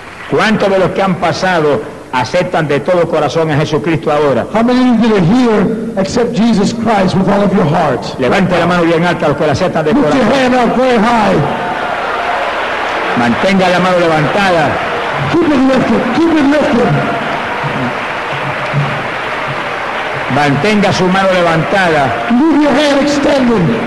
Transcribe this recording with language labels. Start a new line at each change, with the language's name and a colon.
Spanish: ¿Cuántos de los que han pasado aceptan de todo corazón a Jesucristo ahora?
English: How many of you that are here accept Jesus Christ with all of your heart?
Spanish: Levante la mano bien alta los que la aceptan de corazón.
English: Put your hand up very high.
Spanish: Mantenga la mano levantada.
English: Keep it lifted. Keep it lifted.
Spanish: Mantenga su mano levantada.
English: Leave your hand extended.